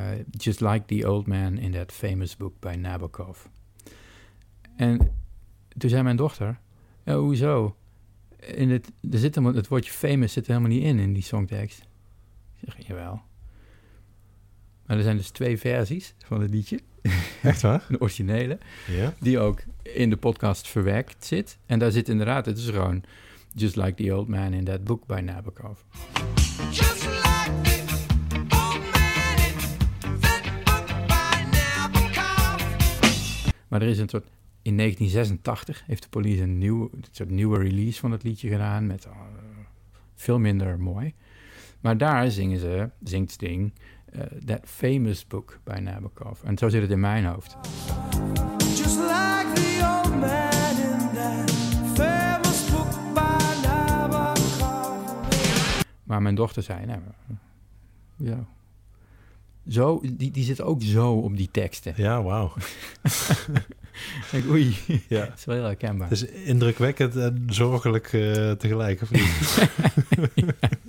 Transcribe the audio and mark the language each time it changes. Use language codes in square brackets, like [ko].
[en] Just like the old man in that famous book by Nabokov. [nl] En toen zei mijn dochter, hoezo? Het woordje famous zit er helemaal niet in die songtekst. Ik zeg, jawel. Maar er zijn dus twee versies van het liedje. Echt waar? De originele. Ja. Die ook in de podcast verwerkt zit. En daar zit inderdaad, het is gewoon [en] Just Like the Old Man in That Book by Nabokov. Just like the old man in that book by Nabokov. [nl] Maar er is een soort... In 1986 heeft de Police een soort nieuwe release van het liedje gedaan met veel minder mooi. Maar daar zingt Sting [en] That Famous Book by Nabokov. [nl] En zo zit het in mijn hoofd. [en] Just like the old man in that famous book by Nabokov. [nl] Maar mijn dochter zei, nee, ja. Zo, die zit ook zo op die teksten. Ja, wauw. Ik denk, oei, ja. Het is wel heel herkenbaar. Het is indrukwekkend en zorgelijk tegelijk, of niet? Ja.